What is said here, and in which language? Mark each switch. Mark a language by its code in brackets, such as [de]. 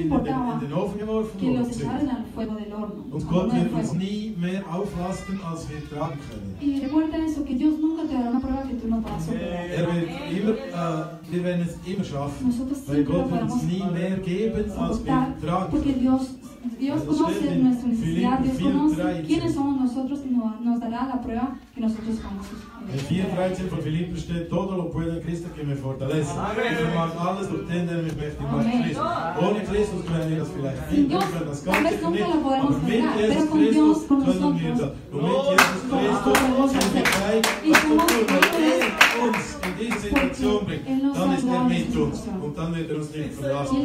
[de] in den Ofen geworfen wurden. Und Gott wird uns nie mehr auflasten, als wir tragen können. Wir werden es immer schaffen, weil Gott wird uns nie mehr geben, als wir tragen können. [es] Dios conoce nuestra necesidad, Dios conoce quiénes somos nosotros y nos dará la prueba que nosotros vamos a En 4.13 [de] von Philippen steht, [es] todo lo puede Cristo que me fortalece. [de] Ich vermag alles durch den, der mich mächtig macht, Christus. Ohne Christus können wir das vielleicht nicht, das Ganze nicht, aber mit Jesus Christus können wir das. Und mit Jesus Christus sind wir frei, was zu tun, wenn er uns in diese Situation bringt, dann ist er mit uns und dann wird er uns nicht verlassen.